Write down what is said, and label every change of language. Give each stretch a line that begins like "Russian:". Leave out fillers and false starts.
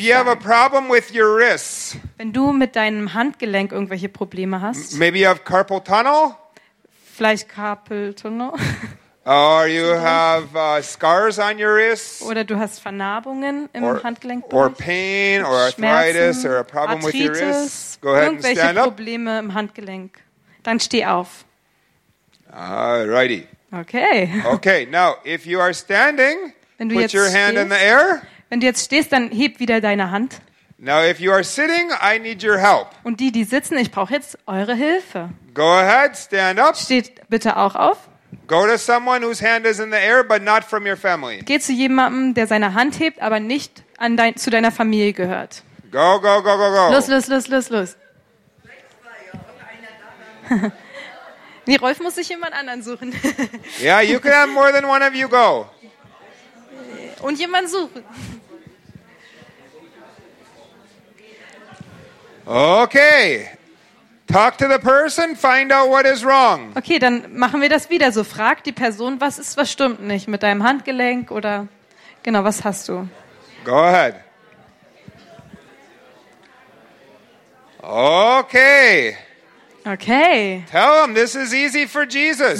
English: If you have a problem with your wrists.
German: Wenn du mit deinem Handgelenk irgendwelche Probleme hast.
English: Maybe you have carpal tunnel.
German: Vielleicht Carpal Tunnel.
English: Or you have scars on your wrists.
German: Oder du hast Vernarbungen im Handgelenkbereich.
English: Or pain, or arthritis, or a problem with your wrists. Go ahead and stand up.
German: Irgendwelche Probleme im Handgelenk. Dann steh auf.
English: Alrighty. Okay. Okay, now if you are standing, put your hand in the air.
German: Wenn du jetzt stehst, dann heb wieder deine Hand.
English: Now if you are sitting, I need your help.
German: Und die sitzen, ich brauche jetzt eure Hilfe.
English: Go ahead, stand up.
German: Steht bitte auch auf.
English: Go to someone whose hand is in the air, but not from your family.
German: Geh zu jemandem, der seine Hand hebt, aber nicht zu deiner Familie gehört.
English: Go, go, go, go, go.
German: Los, los, los, los, los. Nee, Rolf muss sich jemand anderen suchen.
English: Yeah, you can have more than one of you go.
German: Und jemand suchen. Okay.
English: Talk to the person, find out what is wrong.
German: Okay, dann machen wir das wieder so. Frag die Person, was stimmt nicht mit deinem Handgelenk oder genau, was hast du?
English: Go ahead. Okay. Okay. Tell them this is easy for Jesus.